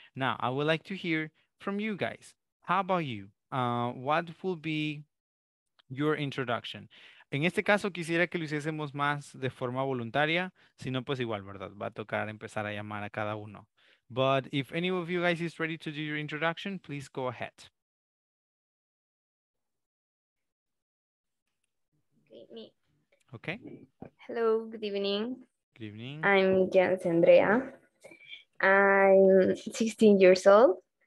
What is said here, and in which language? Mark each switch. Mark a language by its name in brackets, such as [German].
[English] Now, I would like to hear from you guys. How about you? What will be your introduction? [Spanish] En este caso, quisiera que lo hiciésemos más de forma voluntaria. Si no, pues igual, ¿verdad? Va a tocar empezar a llamar a cada uno. [English] But if any of you guys is ready to do your introduction, please go ahead. Me. Okay. Hello, good evening. Good evening. I'm Jens Andrea. I'm 16 years old.